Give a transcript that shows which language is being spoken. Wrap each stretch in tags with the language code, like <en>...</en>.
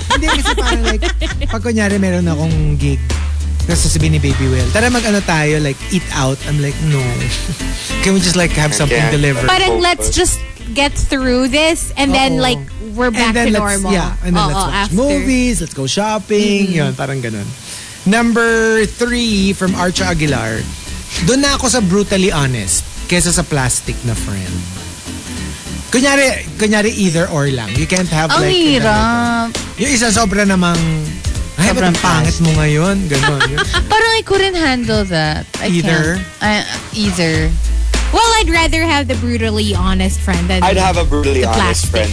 <tl>Hindi kasi parang like, pag kunyari meron akong gig, kasi sabi ni Baby Will, tara mag-ano tayo,</tl> <en>like eat out. I'm like, no. Can we just like have something delivered?</en> <tl>Parang</tl> <en>let's just get through this and then like we're back to normal. Yeah, and then let's watch movies, let's go shopping,</en> <tl>yun, parang ganun.</tl> <en>Number three from Archa Aguilar.</en> <tl>Doon na ako sa brutally honest. Kesa sa plastic na friend. Kunyari either or lang.</tl> <en>You can't have</en> <tl>ang</tl> <en>like...</en> <tl>Ang hirap. Yung isa sobra namang... Ay, ba't ang pangit mo ngayon? Ganon.</tl> <en>Parang I couldn't handle that. I either. Well, I'd rather have the brutally honest friend than I'd have a brutally honest friend</en>